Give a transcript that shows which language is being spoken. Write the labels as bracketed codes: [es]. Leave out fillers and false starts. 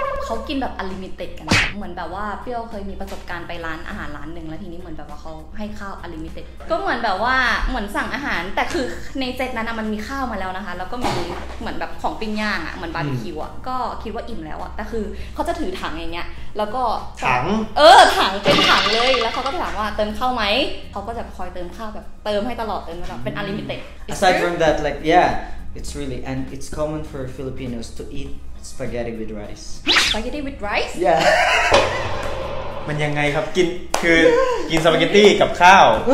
[th] เขากินแบบอลิมิเต็ดกันเหมือนแบบว่าเปรี้ยวเคยมีประสบการณ์ไปร้านอาหารร้านนึงแล้วทีนี้เหมือนแบบว่าเขาให้ข้าวอลิมิเต็ดก็เหมือนแบบว่าเหมือนสั่งอาหารแต่คือในเซตนั้นมันมีข้าวมาแล้วนะคะแล้วก็มีเหมือนแบบของปิ้งย่างอ่ะเหมือนบาร์บีคิวอ่ะก็คิดว่าอิ่มแล้วอ่ะแต่คือเขาจะถือถังอย่างเงี้ยแล้วก็ ถัง ถังเป็นถังเลยแล้วเขาก็ถามว่าเติมข้าวไหมเขาก็จะคอยเติมข้าวแบบเติมให้ตลอดเติมแบบเป็นอลิมิเต็ด [en] aside from that like yeah it's really and it's common for Filipinos to eatSpaghetti with rice. Spaghetti with rice? Yeah. [th] มันยังไงครับกินคือกินสปาเกตตี้กับข้าว